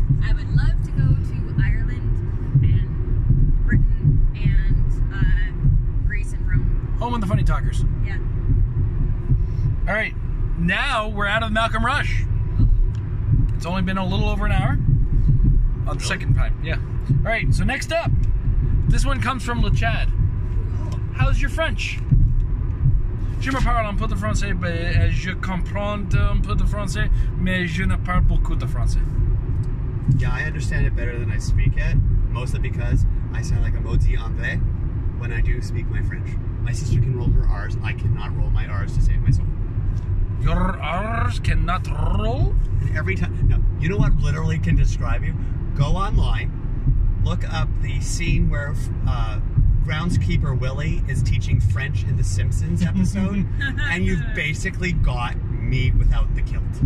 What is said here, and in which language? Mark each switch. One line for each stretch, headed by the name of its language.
English: I would love to go to Ireland and Britain and Greece and Rome. Home of the Funny Talkers. Yeah. All right. Now we're out of Malcolm Rush. It's only been a little over an hour. Really? Second time, yeah. All right, so next up, this one comes from Le Chad. How's your French?
French: Je me parle un peu de français, mais je comprends un peu de français, mais je ne parle beaucoup de français.
English: Yeah, I understand it better than I speak it, mostly because I sound like a
French: maudit anglais
English: when I do speak my French. My sister can roll her R's. I cannot roll my R's to save myself. Your R's cannot roll? And every time, no, you know what literally can describe you? Go online, look up the scene where Groundskeeper Willie is teaching French in the Simpsons episode, and you've basically got me without the kilt.